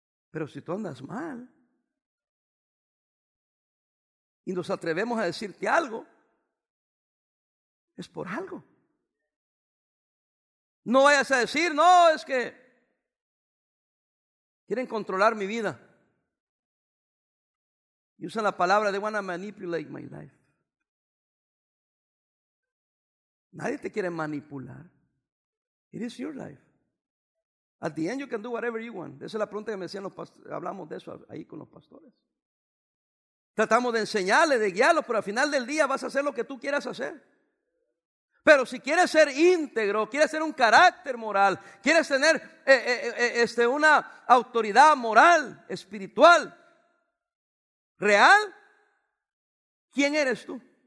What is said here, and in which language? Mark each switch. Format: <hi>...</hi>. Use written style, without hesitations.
<es>Pero si tú andas mal y nos atrevemos a decirte algo, es por algo. No vayas a decir, no, es que quieren controlar mi vida. Y usan la palabra,</es> <en>they want to manipulate my life.</en> <es>Nadie te quiere manipular.</es> <en>It is your life. At the end, you can do whatever you want.</en> <es>Esa es la pregunta que me decían los pastores. Hablamos de eso ahí con los pastores. Tratamos de enseñarles, de guiarlos, pero al final del día vas a hacer lo que tú quieras hacer. Pero si quieres ser íntegro, quieres ser un carácter moral, quieres tener una autoridad moral, espiritual, real, ¿quién eres tú?</es>